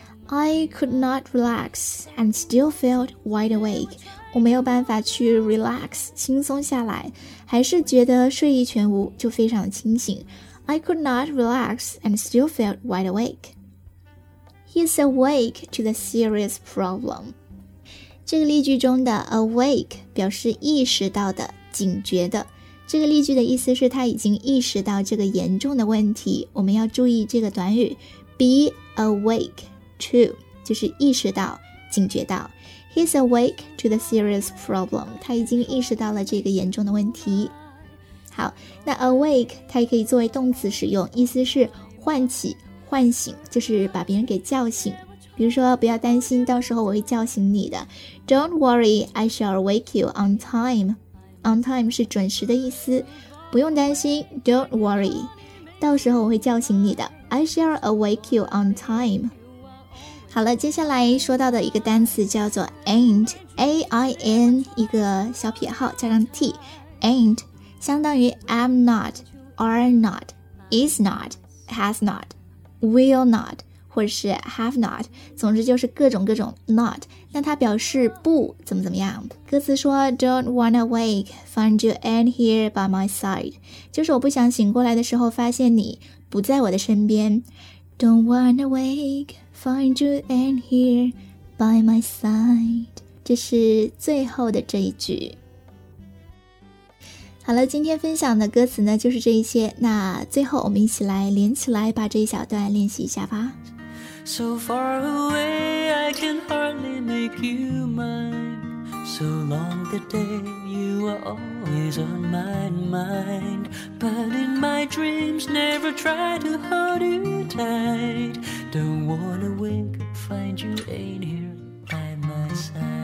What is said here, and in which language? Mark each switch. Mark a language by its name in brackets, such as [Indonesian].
[English] I could not relax and still felt wide awake， [Chinese] 我没有办法去 relax 轻松下来，还是觉得睡意全无，就非常清醒。 [English] I could not relax and still felt wide awake. He's awake to the serious problem. [Chinese] 这个例句中的 awake 表示意识到的、警觉的。这个例句的意思是他已经意识到这个严重的问题，我们要注意这个短语 be awake to， 就是意识到、警觉到。 [English] He's awake to the serious problem， [Chinese] 他已经意识到了这个严重的问题。好，那 awake 它也可以作为动词使用，意思是唤起、唤醒，就是把别人给叫醒。比如说，不要担心，到时候我会叫醒你的。 [English] Don't worry, I shall wake you on time. [Chinese] On time 是准时的意思，不用担心。 [English] Don't worry, [Chinese] 到时候我会叫醒你的。 [English] I shall awake you on time. [Chinese] 好了，接下来说到的一个单词叫做 [English] ain't, A-I-N [Chinese] 一个小撇号加上 [English] T, ain't [Chinese] 相当于 [English] am not, are not, is not, has not, will not. [Chinese] 或者是 have not， 总之就是各种各种 not， 那它表示不怎么怎么样。歌词说 [English] Don't wanna wake, find you in here by my side， [Chinese] 就是我不想醒过来的时候发现你不在我的身边。 [English] Don't wanna wake, find you in here by my side， [Chinese] 这是最后的这一句。好了，今天分享的歌词呢就是这一些，那最后我们一起来连起来把这一小段练习一下吧。 [English] So far away, I can hardly make you mine. So long the day, you are always on my mind. But in my dreams, never try to hold you tight. Don't wanna wake, find you ain't here by my side.